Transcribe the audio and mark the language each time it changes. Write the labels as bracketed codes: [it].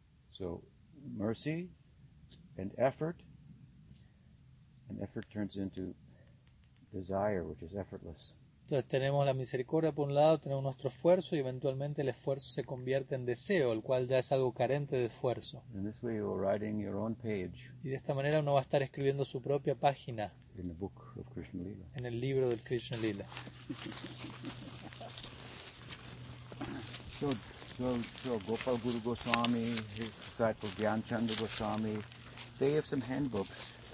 [en] So, mercy and effort turns into desire, which is effortless. [es] Entonces tenemos la misericordia por un lado, tenemos nuestro esfuerzo y eventualmente el esfuerzo se convierte en deseo, el cual ya es algo carente de esfuerzo. [en] In this way you are writing your own page. [es] Y de esta manera uno va a estar escribiendo su propia página. [en] In the book of Krishna Lila. [es] En el libro del Krishna Lila. [en] So Gopal Guru Goswami, his disciple Dhyanchandra Goswami, they have some handbooks.